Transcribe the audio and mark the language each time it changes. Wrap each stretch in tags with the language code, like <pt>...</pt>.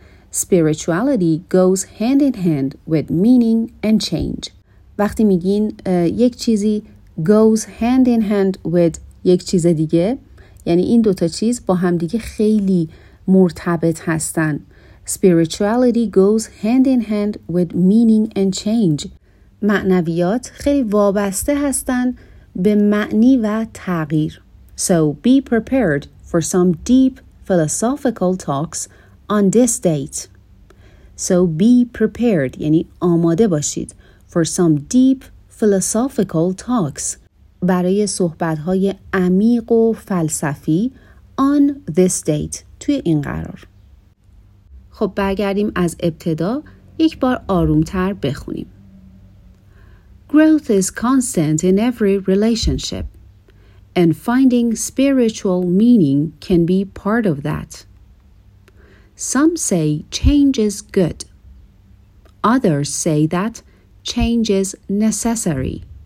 <en>Spirituality goes hand in hand with meaning and change.</en> <fa>وقتی میگین یک چیزی</fa> <en>goes hand in hand with</en> <fa>یک چیز دیگه، یعنی این دوتا چیز با همدیگه خیلی مرتبط هستن.</fa> <en>Spirituality goes hand in hand with meaning and change.</en> <fa>معنویات خیلی وابسته هستن به معنی و تغییر.</fa> <en>So be prepared for some deep philosophical talks on this date. So be prepared</en> <fa>یعنی آماده باشید.</fa> <en>For some deep philosophical talks،</en> <fa>برای صحبت‌های عمیق و فلسفی،</fa> <en>on this date،</en> <fa>توی این قرار. خب برگردیم از ابتدا، یک بار آروم‌تر بخونیم.</fa> <en>Growth is constant in every relationship and finding spiritual meaning can be part of that. Some say change is good. Others say that change is necessary.</en>